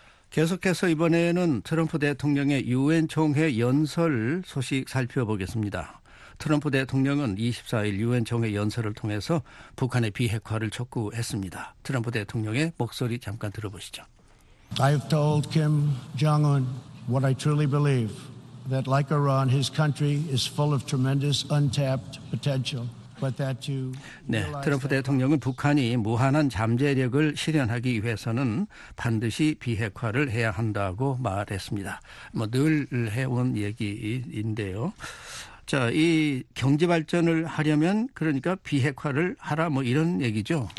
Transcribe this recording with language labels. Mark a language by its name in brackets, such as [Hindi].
[Korean] 계속해서 이번에는 트럼프 대통령의 유엔 총회 연설 소식 살펴보겠습니다. 트럼프 대통령은 24일 유엔 총회 연설을 통해서 북한의 비핵화를 촉구했습니다. 트럼프 대통령의 목소리 잠깐 들어보시죠. [English] I have told Kim Jong-un what I truly believe, that like Iran, his country is full of tremendous untapped potential. But that you. [Korean] 네, 트럼프 대통령은 북한이 무한한 잠재력을 실현하기 위해서는 반드시 비핵화를 해야 한다고 말했습니다. 뭐 늘 해온 얘기인데요. 자, 이 경제 발전을 하려면 그러니까 비핵화를 하라 뭐 이런 얘기죠.